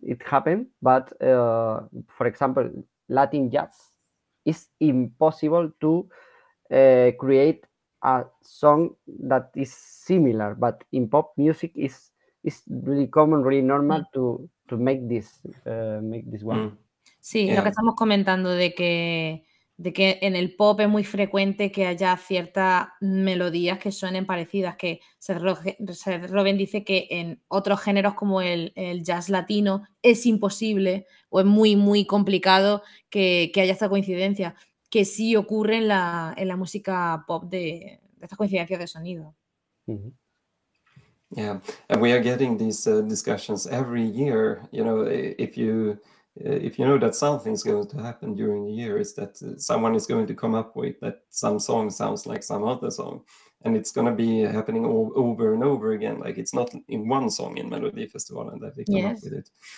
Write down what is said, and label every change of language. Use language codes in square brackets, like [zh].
[en] It happened, but for example, Latin jazz is impossible to create a song that is similar. But in pop music, is it's really common, really normal to make this one. [es] Sí, yeah. Lo que estamos comentando de que en el pop es muy frecuente que haya ciertas melodías que suenen parecidas, que Seth Robin dice que en otros géneros como el jazz latino es imposible o es muy, muy complicado que haya esta coincidencia. que sí ocurre en la música pop de estas coincidencias de sonido. Mm-hmm. [en] Yeah, and we are getting these discussions every year. You know, if you know that something's going to happen during the year, is that someone is going to come up with that some song sounds like some other song. And it's going to be happening all over and over again. Like, it's not in one song in Melodifestivalen and that they come up with it.